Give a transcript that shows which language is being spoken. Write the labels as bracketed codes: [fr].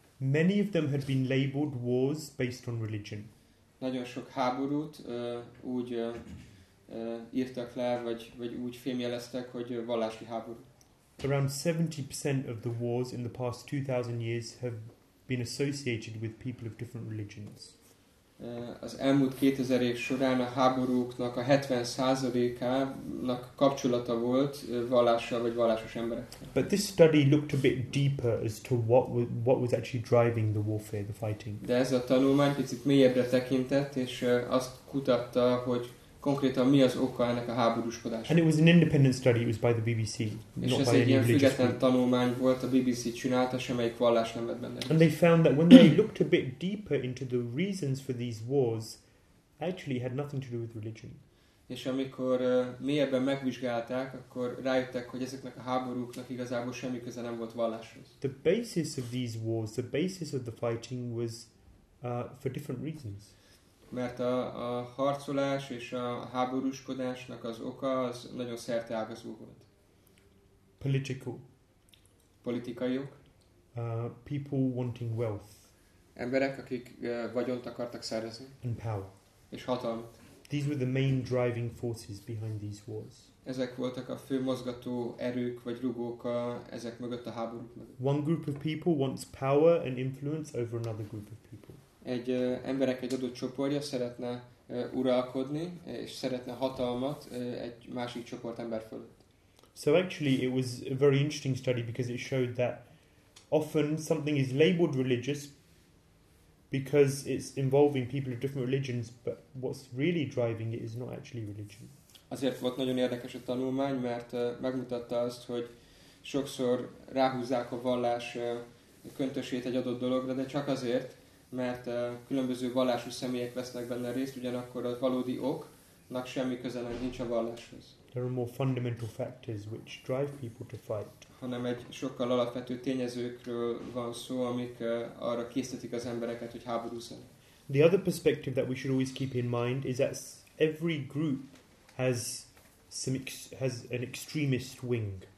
[en] Many of them had been labeled wars based on religion. [hu] Nagyon sok háborút úgy írtak le, vagy úgy fémjeleztek, hogy vallási háború. [en] Around 70% of the wars in the past 2000 years have been associated with people of different religions. [hu] Az elmúlt 2000 év során a háborúknak a 70%-ának kapcsolata volt vallással vagy vallásos emberekkel. [en] But this study looked a bit deeper as to what was actually driving the warfare, the fighting. [hu] De ez a tanulmány picit mélyebbre tekintett, és azt kutatta, hogy konkrétan mi az oka ennek a háborúskodásnak. [en] And it was an independent study, it was by the BBC, not by any religious group. [hu] És ez egy ilyen független tanulmány volt, a BBC csinálta, semmelyik vallás nem vett benne. [en] And they found that when they looked a bit deeper into the reasons for these wars, actually had nothing to do with religion. [hu] És amikor mélyebben megvizsgálták, akkor rájöttek, hogy ezeknek a háborúknak igazából semmi köze nem volt valláshoz. [en] The basis of these wars, the basis of the fighting was for different reasons. [hu] Mert a harcolás és a háborúskodásnak az oka az nagyon szerte ágazó volt. [en] Political. [hu] Politikai ok. [en] People wanting wealth. [hu] Emberek, akik vagyont akartak szerezni. [en] And power. [hu] És hatalmat. [en] These were the main driving forces behind these wars. [hu] Ezek voltak a fő mozgató erők vagy rugók ezek mögött a háborúk mögött. [en] One group of people wants power and influence over another group of people. [hu] Egy emberek egy adott csoportja szeretne uralkodni és szeretne hatalmat egy másik csoport ember fölött. [en] So actually it was a very interesting study because it showed that often something is labeled religious because it's involving people of different religions, but what's really driving it is not actually religion. [hu] Azért volt nagyon érdekes a tanulmány, mert megmutatta azt, hogy sokszor ráhúzzák a vallás köntösét egy adott dologra, de csak azért, mert különböző vallású személyek vesznek benne részt, ugyanakkor a valódi oknak semmi köze nincs a valláshoz. [en] There are more fundamental factors which drive people to fight. [hu] Hanem egy sokkal alapvető tényezőkről van szó, amik arra késztetik az embereket, hogy háborúzzanak. [en] The other perspective that we should always keep in mind is that every group has some has an extremist wing.